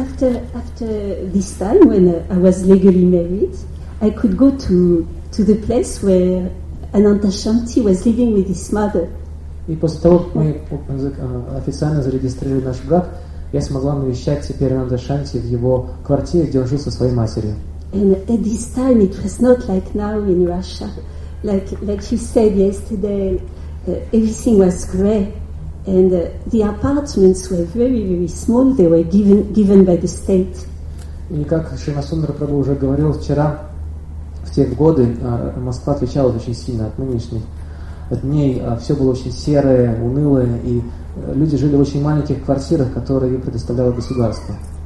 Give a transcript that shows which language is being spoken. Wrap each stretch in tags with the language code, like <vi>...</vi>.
<en>after this time when I was legally married, I could go to the place where Anantashanti was living with his mother.</en> <ru>И после того, как мы официально зарегистрировали наш брак, я смогла навещать теперь Ананташанти в его квартире, где он жил со своей матерью.</ru> <en>And at this time, it was not like now in Russia, like you said yesterday, everything was grey, and the apartments were very, very small. They were given by the state.</en> <ru>И как Шримасундра Прабху уже говорил вчера, в те годы Москва отличалась очень сильно от нынешних дней. Все было очень серое, унылое, и люди жили в очень маленьких квартирах, которые предоставляло государство.</ru>